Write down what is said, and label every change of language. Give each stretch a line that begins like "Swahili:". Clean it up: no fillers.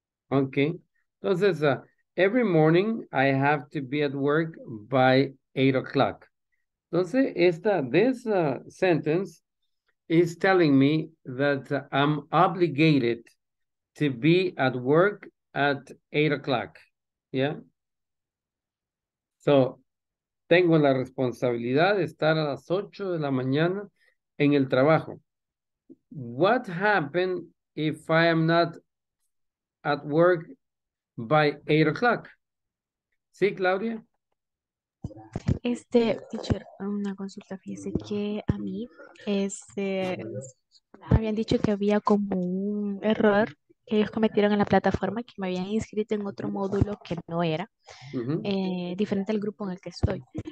English: Okay. Entonces, every morning I have to be at work by 8 o'clock. Entonces, this sentence is telling me that I'm obligated to be at work at 8 o'clock. Yeah.
Spanish: So, tengo la responsabilidad de estar a las 8 de la mañana en el trabajo.
English: What happened if I am not at work by 8 o'clock?
Spanish: Sí, Claudia. Teacher, una consulta, fíjese que a mí, me habían dicho que había como un error que ellos cometieron en la plataforma, que me habían inscrito en otro módulo que no era, diferente al grupo en el que estoy.